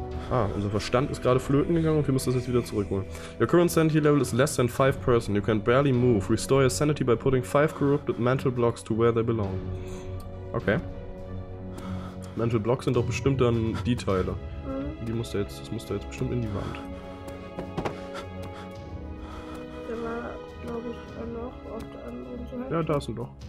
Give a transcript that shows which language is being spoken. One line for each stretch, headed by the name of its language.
German: Ah, unser Verstand ist gerade flöten gegangen und wir müssen das jetzt wieder zurückholen.
English: Your current sanity level is less than 5%. You can barely move. Restore your sanity by putting 5 corrupted mental blocks to where they belong.
German: Okay. Mental blocks sind doch bestimmt dann die Teile. Die muss da jetzt, das muss da jetzt bestimmt in die Wand. Da war, glaube ich, ein Loch auf der anderen Seite. Ja, da ist ein Loch.